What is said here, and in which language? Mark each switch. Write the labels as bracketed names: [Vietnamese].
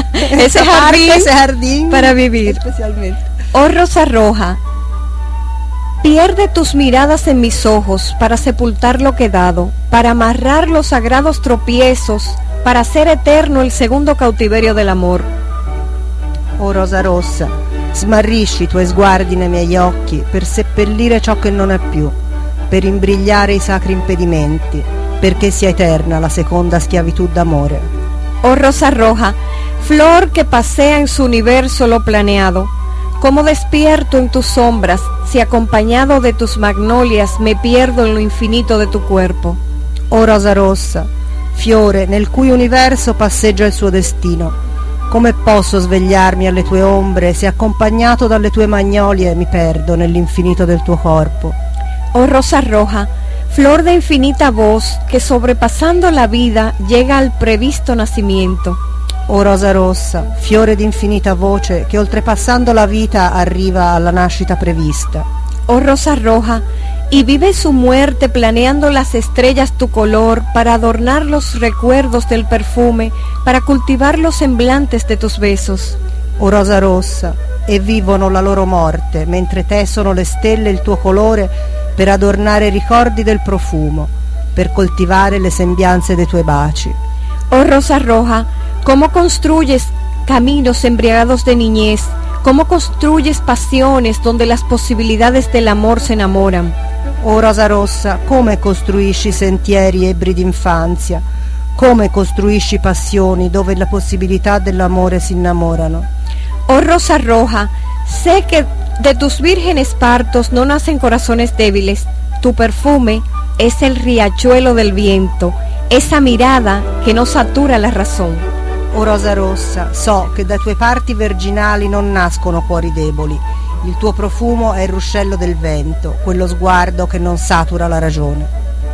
[Spanish] ese jardín, ese jardín para vivir especialmente. Oh, Rosa Roja, pierde tus miradas en mis ojos para sepultar lo quedado, para amarrar los sagrados tropiezos, para hacer eterno el segundo cautiverio del amor. [Italian] Oh, Rosa Rossa, smarrisci i tuoi sguardi nei miei occhi per seppellire ciò che non è più, per imbrigliare i sacri impedimenti, perché sia eterna la seconda schiavitù d'amore. [Spanish] Oh, Rosa Roja, flor que pasea en su universo lo planeado, como despierto en tus sombras, si acompañado de tus magnolias me pierdo en lo infinito de tu cuerpo. [Italian] Oh, Rosa Rossa, fiore nel cui universo passeggia il suo destino, come posso svegliarmi alle tue ombre se accompagnato dalle tue magnolie mi perdo nell'infinito del tuo corpo. [Spanish] Oh, Rosa Roja, flor de infinita voz que sobrepasando la vida llega al previsto nacimiento. [Italian] Oh, Rosa Rossa, fiore di infinita voce che oltrepassando la vita arriva alla nascita prevista. [Spanish] Oh, Rosa Roja, y vive su muerte planeando las estrellas tu color para adornar los recuerdos del perfume, para cultivar los semblantes de tus besos. [Italian] Oh, Rosa Rossa, e vivono la loro morte mentre tessono le stelle il tuo colore per adornare i ricordi del profumo, per coltivare le sembianze dei tuoi baci. [Spanish] Oh, Rosa Roja, ¿cómo construyes caminos embriagados de niñez? ¿Cómo construyes pasiones donde las posibilidades del amor se enamoran? [Italian] Oh, Rosa Rossa, ¿cómo construisci sentieri ebri d'infanzia? [Spanish] ¿Cómo construisci pasiones donde las posibilidades del amor se enamoran? Oh, Rosa Roja, sé que de tus vírgenes partos no nacen corazones débiles. Tu perfume es el riachuelo del viento, esa mirada que no satura la razón. [Italian] Oh, Rosa Rossa, so che dai tuoi parti virginali non nascono cuori deboli. Il tuo profumo è il ruscello del vento, quello sguardo che non satura la ragione.